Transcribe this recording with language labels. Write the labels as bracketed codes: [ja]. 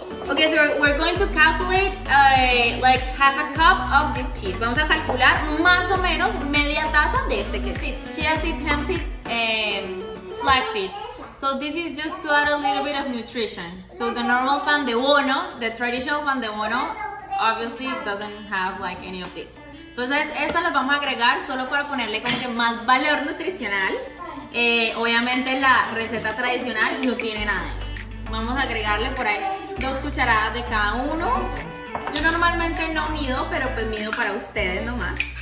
[en] Okay, so we're going to calculate like half a cup of this cheese. [es] Vamos a calcular más o menos media taza de este queso. [en] Chia seeds, hemp seeds, and flax seeds. So this is just to add a little bit of nutrition. So the normal pan de bono, the traditional pan de bono, obviously doesn't have like any of this. [es] Entonces, estas las vamos a agregar solo para ponerle como que más valor nutricional. Obviamente la receta tradicional no tiene nada de eso. Vamos a agregarle por ahí dos cucharadas de cada uno. Yo normalmente no mido, pero pues mido para ustedes nomás.